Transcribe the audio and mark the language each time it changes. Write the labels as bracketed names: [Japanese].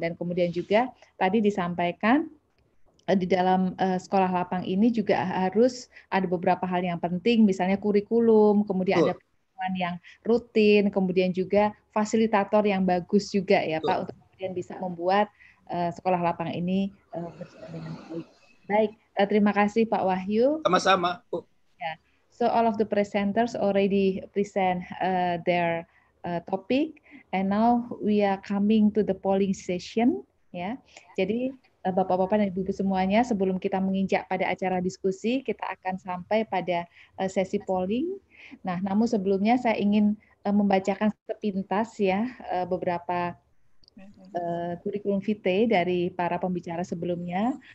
[Indonesian] Dan kemudian juga tadi disampaikan di dalam sekolah lapang ini juga harus ada beberapa hal yang penting, misalnya kurikulum, kemudian ada pertemuan yang rutin, kemudian juga fasilitator yang bagus juga ya Pak, untuk kemudian bisa membuat sekolah lapang ini berjalan dengan baik. Baik, terima kasih Pak Wahyu. Sama-sama. Yeah. [English] So all of the presenters already present their topic, and now we are coming to the polling session. Ya, yeah. [Indonesian] Jadi Bapak-bapak dan ibu-ibu semuanya, sebelum kita menginjak pada acara diskusi, kita akan sampai pada sesi polling. Nah, namun sebelumnya saya ingin membacakan sepintas ya beberapa kurikulum vitae dari para pembicara sebelumnya.